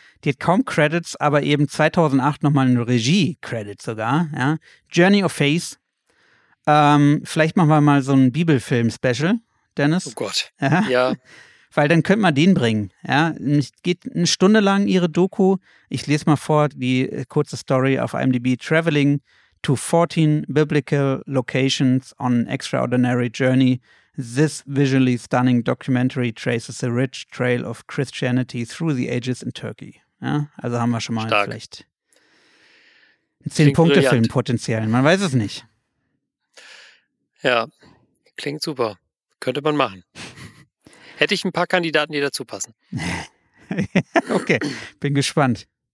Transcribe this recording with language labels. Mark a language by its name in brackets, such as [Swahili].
[German] Die hat kaum Credits, aber eben 2008 nochmal einen Regie-Credit sogar. Ja? Journey of Faith. Vielleicht machen wir mal so einen Bibelfilm-Special, Dennis. Oh Gott, ja. Ja. Weil dann könnte man den bringen. Ja, es geht eine Stunde lang ihre Doku. Ich lese mal vor, die kurze Story auf IMDb. [English] Traveling to 14 biblical locations on an extraordinary journey, this visually stunning documentary traces a rich trail of Christianity through the ages in Turkey. [German] Ja, also haben wir schon mal vielleicht 10-Punkte-Film potenziell. Man weiß es nicht. Ja, klingt super. Könnte man machen. Hätte ich ein paar Kandidaten, die dazu passen. Okay, bin gespannt.